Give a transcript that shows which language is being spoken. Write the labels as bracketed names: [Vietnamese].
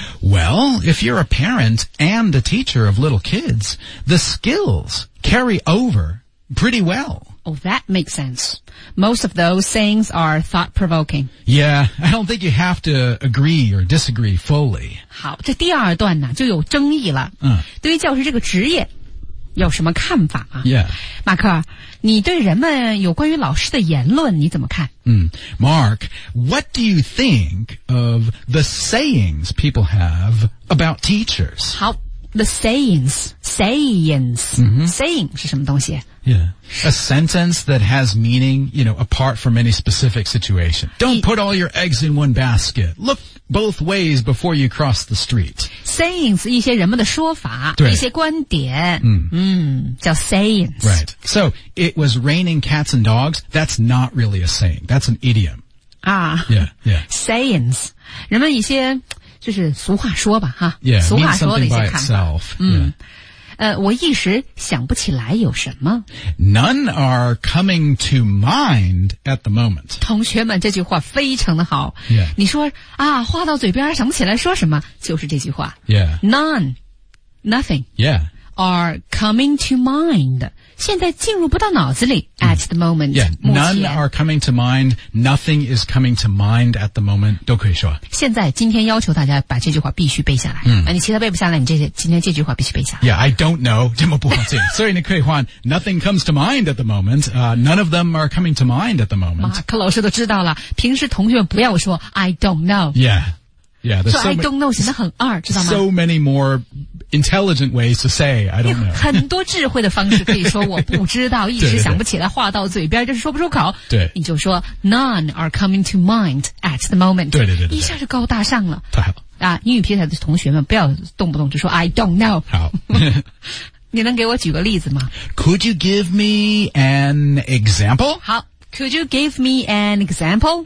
[English] Well, if you're a parent and a teacher of little kids, the skills carry over pretty well. Oh, that makes sense. Most of those sayings are thought-provoking. Yeah, I don't think you have to agree or disagree fully. [Chinese] 好，这第二段呢就有争议了。嗯，对于教师这个职业有什么看法啊 [English] ？Yeah, [Chinese] 马克，你对人们有关于老师的言论你怎么看？ [English] 嗯 ，Mark, what do you think of the sayings people have about teachers? 好。The sayings,、 mm-hmm. [Chinese] saying 是什么东西 [English] Yeah, a sentence that has meaning, you know, apart from any specific situation. Don't put all your eggs in one basket. Look both ways before you cross the street. [Chinese] Sayings, 一些人们的说法对一些观点、 mm. 嗯，叫 sayings. [English] Right. So, it was raining cats and dogs. That's not really a saying. That's an idiom. Ah. Yeah, yeah. [Chinese] Sayings, 人们一些就是俗话说吧哈 [English] yeah, [Chinese] 俗话说的一些看法、 [English] yeah. [Chinese] 我一时想不起来有什么 [English] None are coming to mind at the moment [Chinese] 同学们这句话非常的好、 [English] yeah. [Chinese] 你说啊话到嘴边想不起来说什么就是这句话、 [English] yeah. None Nothing、 yeah. Are coming to mind [Chinese] 现在进入不到脑子里、 [English] mm. At the moment、 yeah. None are coming to mind Nothing is coming to mind at the moment [Chinese] 都可以说现在今天要求大家把这句话必须背下来、 mm. 你其他背不下来你这今天这句话必须背下来 [English] Yeah, I don't know [Chinese] 这么不好听所以你可以换 [English] Nothing comes to mind at the moment、None of them are coming to mind at the moment [Chinese] 马克老师都知道了平时同学们不要说 [English] I don't know YeahYeah, so I don't know [Chinese] 显得很二知道吗 [English] So many more intelligent ways to say I don't know [Chinese] 很多智慧的方式可以说我不知道一时想不起来话到嘴边就是说不出口对你就说 [English] None are coming to mind at the moment [Chinese] 对对 对, 对一下就高大上了太好啊，英语平台的同学们不要动不动就说 [English] I don't know [Chinese] 好你能给我举个例子吗 [English] Could you give me an example? 好 Could you give me an example?、